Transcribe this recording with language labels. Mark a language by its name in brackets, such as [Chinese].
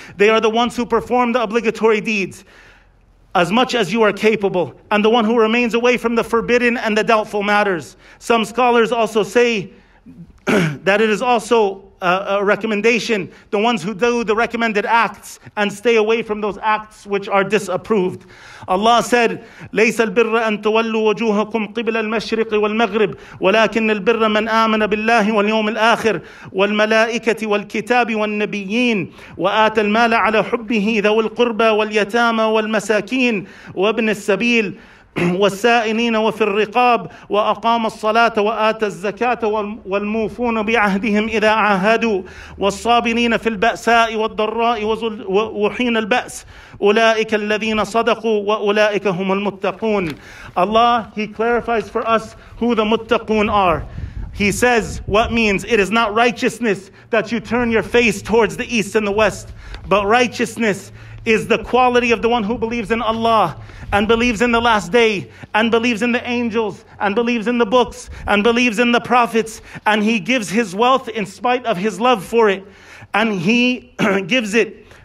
[English] They are the ones who perform the obligatory deeds as much as you are capable, and the one who remains away from the forbidden and the doubtful matters. Some scholars also say that it is also a recommendation, the ones who do the recommended acts and stay away from those acts which are disapproved. Allah said, [Arabic] لَيْسَ الْبِرَّ أَن تُوَلُّوا وَجُوهَكُمْ قِبْلَ الْمَشْرِقِ وَالْمَغْرِبِ وَلَكِنَّ الْبِرَّ مَنْ آمَنَ بِاللَّهِ وَالْيَوْمِ الْآخِرِ وَالْمَلَائِكَةِ وَالْكِتَابِ وَالنَّبِيِّينَ وَآتَى الْمَالَ عَلَى حُبِّهِ ذَوِي الْقُرْبَى وَالْيَتَامَى وَالْمَسَاكِينَ وَابْنِ السَّبِيلِ والسائلين وفي الرقاب وأقام الصلاة وآت الزكاة والموفون بعهدهم إذا عاهدوا والصابرين في البأساء والضراء وحين البأس أولئك الذين صدقوا وأولئك هم المتقون. [English] Allah, He clarifies for us who the muttaqun are. He says, what means, it is not righteousness that you turn your face towards the east and the west, but righteousness is the quality of the one who believes in Allah and believes in the last day and believes in the angels and believes in the books and believes in the prophets, and he gives his wealth in spite of his love for it, and he gives it